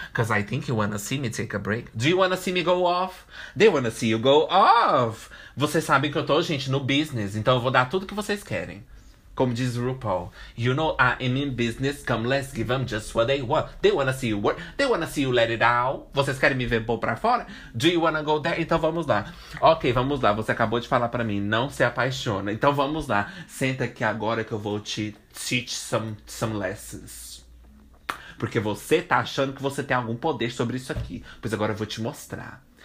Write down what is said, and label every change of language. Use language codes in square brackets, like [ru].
[en] Cause I think you wanna see me take a break. Do you wanna see me go off? They wanna see you go off. [pt] Vocês sabem que eu tô, gente, no business. Então eu vou dar tudo que vocês querem. Como diz [en] RuPaul: you know I am in business, come let's give them just what they want. They wanna see you work, they wanna see you let it out. [pt] Vocês querem me ver bom pra fora? [en] Do you wanna go there? [pt] Então vamos lá. Ok, vamos lá, você acabou de falar pra mim, não se apaixona. Então vamos lá, senta aqui agora que eu vou te [en] teach some lessons. [pt] Porque você tá achando que você tem algum poder sobre isso aqui. Pois agora eu vou te mostrar.